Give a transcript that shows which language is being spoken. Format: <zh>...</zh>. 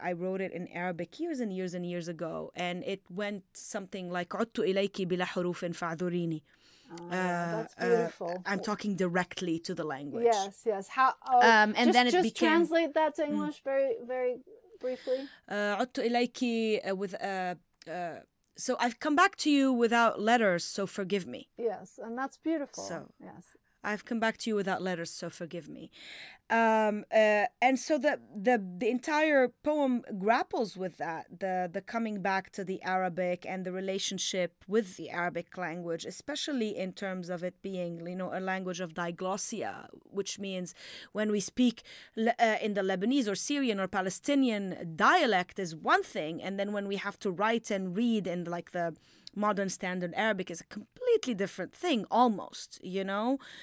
<en>I wrote it in Arabic years and years and years ago. And it went something like,</en> <ar>عُدْتُ إِلَيْكِ بِلَا حُرُوفٍ فَعْذُرِينِ.</ar> <en>Oh, yeah, that's beautiful. I'm talking directly to the language. Yes. How? And then it became... Just translate that to English very, very briefly.</en> <ar>عُدْتُ إِلَيْكِ</ar> <en>with... So I've come back to you without letters, so forgive me. Yes, and that's beautiful. So, yes. I've come back to you without letters, so forgive me. And so the entire poem grapples with that, the coming back to the Arabic and the relationship with the Arabic language, especially in terms of it being, you know, a language of diglossia, which means when we speak in the Lebanese or Syrian or Palestinian dialect is one thing, and then when we have to write and read in like the modern standard Arabic is a completely different thing, almost, you know?</en>